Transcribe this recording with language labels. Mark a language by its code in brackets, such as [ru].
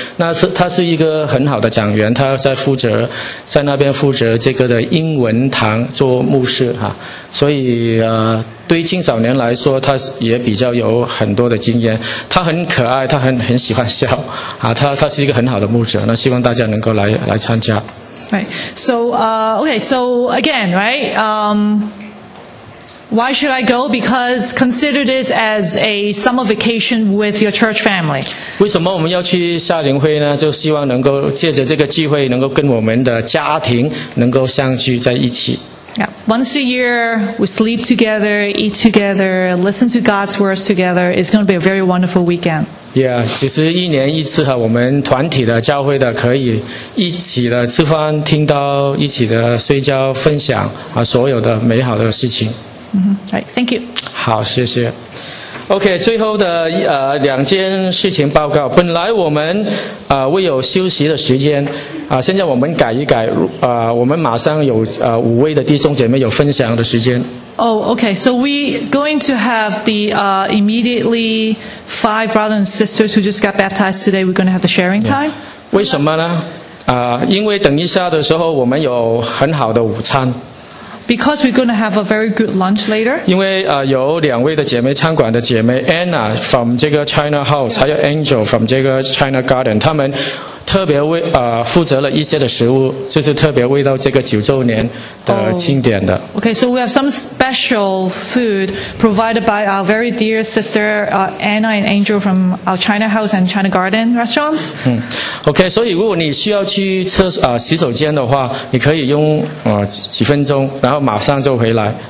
[zh] 那他是一个很好的讲员，他在负责这个的英文堂做牧师哈、啊。所以对于青少年来说，他也比较有很多的经验。他很可爱，他很喜欢笑啊。他是一个很好的牧者，那希望大家能够来参加。 [en] Right. So, okay, so again, right, why should I go? Because consider this as a summer vacation with your church family. [zh] 为什么我们要去夏令会呢？就希望能够借着这个机会能够跟我们的家庭能够相聚在一起。 [en] Yeah. Once a year, we sleep together, eat together, listen to God's words together. It's going to be a very wonderful weekend. [zh] Yeah, 其实一年一次我们团体的教会的可以一起的吃饭听到一起的睡觉分享所有的美好的事情、 [en] mm-hmm. right, Thank you [zh] 好谢谢 OK 最后的两件事情报告本来我们未有休息的时间现在我们改一改我们马上有五位的弟兄姐妹有分享的时间 [en] Oh, okay. So we going to have the immediately 5 brothers and sisters who just got baptized today. We're going to have the sharing time. [zh] Yeah. 为什么呢？因为等一下的时候我们有很好的午餐。 [en] Because we're going to have a very good lunch later. [zh] 因为有两位的姐妹，餐馆的姐妹 Anna from 这个 China House， 还有 Angel from 这个 China Garden， 他们特别为负责了一些的食物，就是特别为到这个九周年的庆典的。 [en] Oh, okay, so we have some special food provided by our very dear sister Anna and Angel from our China House and China Garden restaurants. [zh] Okay, 所以如果你需要去洗手间的话，你可以用几分钟，然后马上就回来。